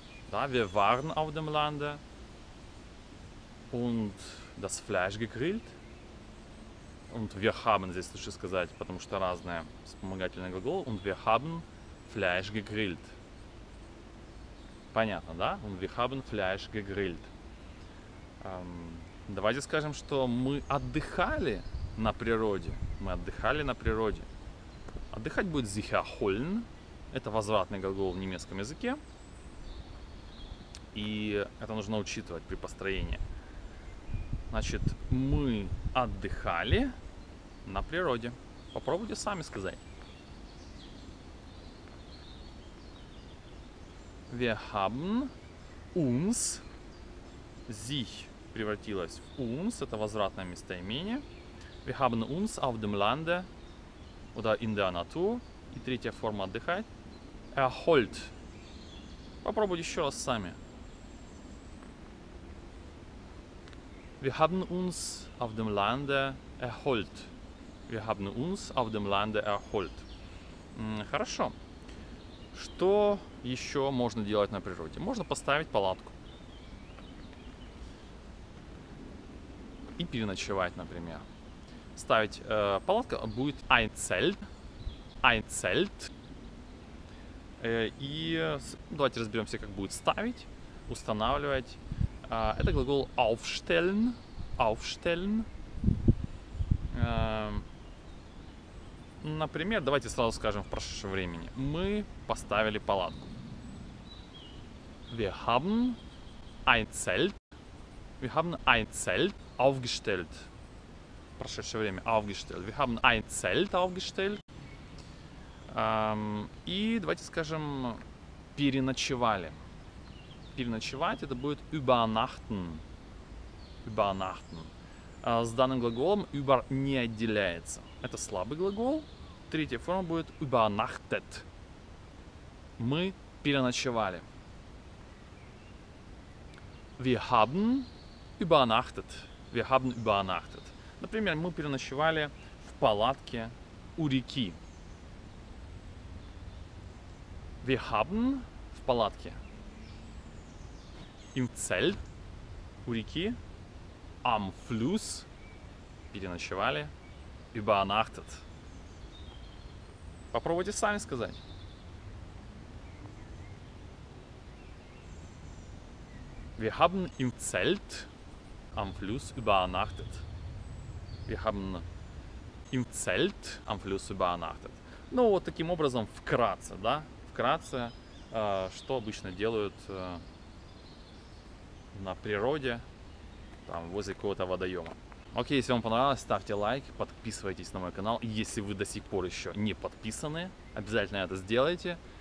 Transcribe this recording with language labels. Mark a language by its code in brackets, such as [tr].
[de] Да, wir waren auf dem Lande. Und das Fleisch gegrillt. Und wir haben, [ru] здесь лучше сказать, потому что разные вспомогательные глаголы. [de] Und wir haben Fleisch gegrillt. [ru] Понятно, да? [de] Und wir haben Fleisch gegrillt. [ru] Давайте скажем, что мы отдыхали. На природе. Мы отдыхали на природе. Отдыхать будет sich erholen. Это возвратный глагол в немецком языке. И это нужно учитывать при построении. Значит, мы отдыхали на природе. Попробуйте сами сказать. [de] Wir haben uns. [ru] Sich превратилось в uns. Это возвратное местоимение. [de] Wir haben uns auf dem Lande oder in der Natur. [ru] И третья форма отдыхать. [de] Erholt. [ru] Попробуйте еще раз сами. [de] Wir haben uns auf dem Lande erholt. Wir haben uns auf dem Lande erholt. [ru] Хорошо. Что еще можно делать на природе? Можно поставить палатку. И переночевать, например. ставить палатка, будет Einzelt. [de] Einzelt. [ru] И давайте разберемся, как будет ставить, устанавливать. Это глагол aufstellen. [de] Aufstellen. [ru] Например, давайте сразу скажем в прошедшем времени. Мы поставили палатку. [de] Wir haben ein Zelt. Wir haben ein Zelt aufgestellt. [ru] В прошедшее время aufgestellt. [de] Wir haben ein Zelt aufgestellt. [ru] И давайте скажем переночевали. Переночевать это будет übernachten. [de] Übernachten. [ru] С данным глаголом über не отделяется. Это слабый глагол. Третья форма будет übernachtet. Мы переночевали. [de] Wir haben übernachtet. Wir haben übernachtet. [ru] Например, мы переночевали в палатке у реки. [de] Wir haben [ru] в палатке [de] im Zelt [ru] у реки [de] am Fluss [ru] переночевали [de] übernachtet. [ru] Попробуйте сами сказать. [de] Wir haben im Zelt am Fluss übernachtet. Wir haben im Zelt am Fluss übernachtet. [ru] Ну вот таким образом вкратце, да? Вкратце, что обычно делают на природе, там возле какого-то водоема. Окей, если вам понравилось, ставьте лайк, подписывайтесь на мой канал. Если вы до сих пор еще не подписаны, обязательно это сделайте.